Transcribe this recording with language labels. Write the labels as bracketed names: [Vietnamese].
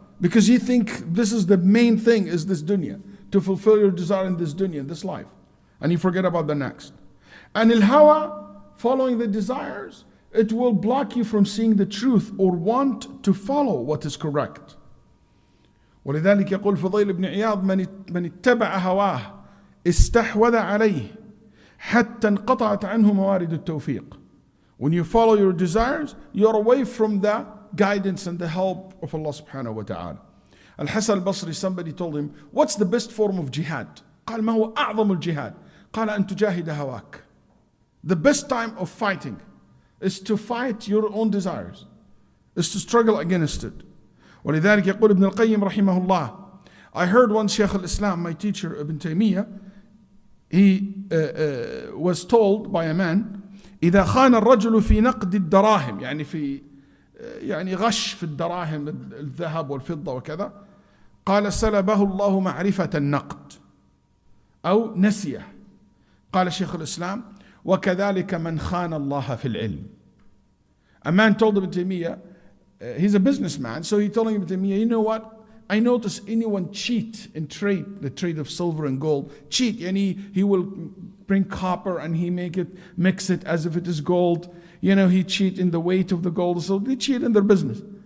[English] Because you think this is the main thing, is this dunya. To fulfill your desire in this dunya, this life. And you forget about the next. And ilhawa, following the desires, it will block you from seeing the truth or want to follow what is correct. [Arabic] ولذلك يقول فضيل بن عياض من اتبع هواه استحوذ عليه حتى انقطعت عنه موارد التوفيق. [English] When you follow your desires, you're away from the guidance and the help of Allah subhanahu wa ta'ala. Al-Hasan al-Basri, somebody told him, "What's the best form of jihad?" [Arabic] قال ما هو أعظم الجهاد؟ قال أن تجاهد هواك. [English] The best time of fighting is to fight your own desires, is to struggle against it. [Arabic] ولذلك يقول ابن القيم رحمه الله, [English] I heard one Shaykh al-Islam, my teacher Ibn Taymiyyah, he was told by a man, [Arabic] إذا خان الرجل في نقد الدراهم, يعني في يعني غش في الدراهم الذهب والفضة وكذا, قال سلبه الله معرفة النقد أو نسيه. قال شيخ الإسلام وكذلك من خان الله في العلم. [English] A man told Ibn Taymiyyah, he's a businessman, so he told Ibn Taymiyyah, "You know what? I notice anyone cheat in trade, the trade of silver and gold, cheat, and he will bring copper and he make it, mix it as if it is gold. You know, he cheat in the weight of the gold, so they cheat in their business."